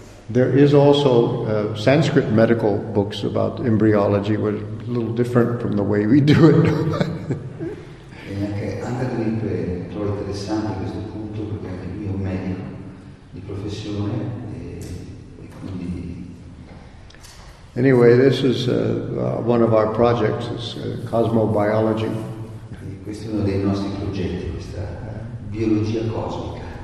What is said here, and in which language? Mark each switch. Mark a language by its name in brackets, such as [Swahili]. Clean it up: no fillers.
[English] There is also Sanskrit medical books about embryology, which are a little different from the way we do it. [Italian] E anche Antardwip trova interessante questo punto, perché anche lui è un medico di professione e quindi. [English] Anyway, this is one of our projects, it's cosmobiology. [Italian] Questo è uno dei nostri progetti, questa biologia cosmica.